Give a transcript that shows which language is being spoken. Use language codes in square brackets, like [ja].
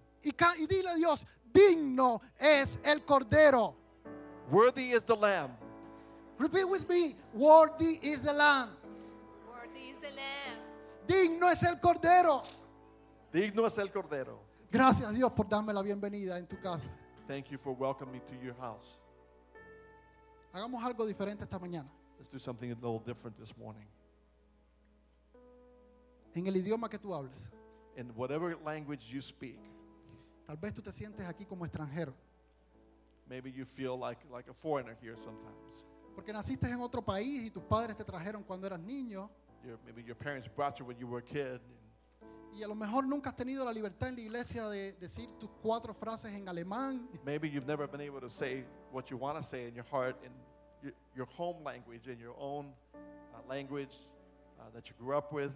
[es] Y dile a Dios, digno es el cordero. [en] Worthy is the lamb. Repeat with me, worthy is the lamb. Worthy is the lamb. [es] Digno es el cordero. Digno es el cordero. Gracias a Dios por darme la bienvenida en tu casa. [en] Thank you for welcoming me to your house. [es] Hagamos algo diferente esta mañana. [en] Let's do something a little different this morning. [es] En el idioma que tú hables. [en] In whatever language you speak. [es] Tal vez tú te sientes aquí como extranjero. [en] Maybe you feel like a foreigner here sometimes. [es] Porque naciste en otro país y tus padres te trajeron cuando eras niño. [en] Maybe your parents brought you when you were a kid. [es] Y a lo mejor nunca has tenido la libertad en la iglesia de decir tus cuatro frases en alemán. [en] Maybe you've never been able to say what you want to say in your heart, in your home language, in your own language that you grew up with.